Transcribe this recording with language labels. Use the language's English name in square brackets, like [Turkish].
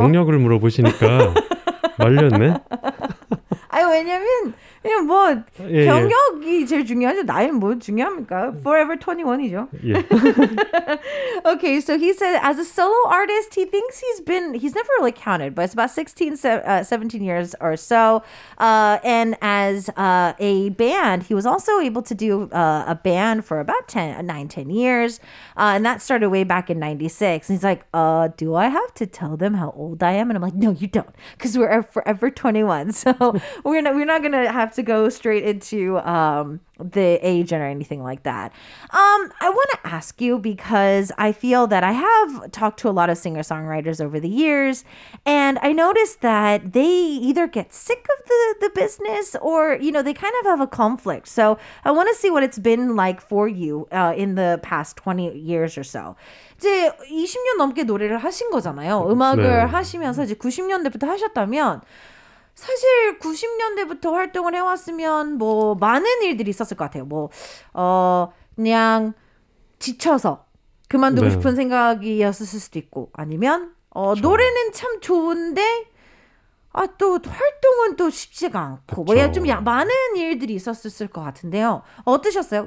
[Korean] 경력을 물어보시니까 말렸네. 아니, 왜냐면 그냥 뭐 예, 경력이 예. 제일 중요하죠. 나이는 뭐 중요합니까? Forever 21이죠. 예. [English] Okay, so he said as a solo artist, he thinks he's never really counted, but it's about 17 years or so. And as a band, he was also able to do a band for about 9-10 years. And that started way back in 96. And he's like, do I have to tell them how old I am? And I'm like, no, you don't, because we're Forever 21. So we're not going to have to go straight into the age or anything like that. I want to ask you, because I feel that I have talked to a lot of singer-songwriters over the years, and I noticed that they either get sick of the business or, you know, they kind of have a conflict. So I want to see what it's been like for you in the past 20 years or so. [Korean] 이제 20년 넘게 노래를 하신 거잖아요. 음악을 네. 하시면서 이제 90년대부터 하셨다면 사실 90년대부터 활동을 해왔으면 뭐 많은 일들이 있었을 것 같아요. 뭐 그냥 지쳐서 그만두고 네. 싶은 생각이었을 수도 있고, 아니면 노래는 참 좋은데 아, 또 활동은 또 쉽지가 않고 뭐 좀 많은 일들이 있었을 것 같은데요. 어떠셨어요?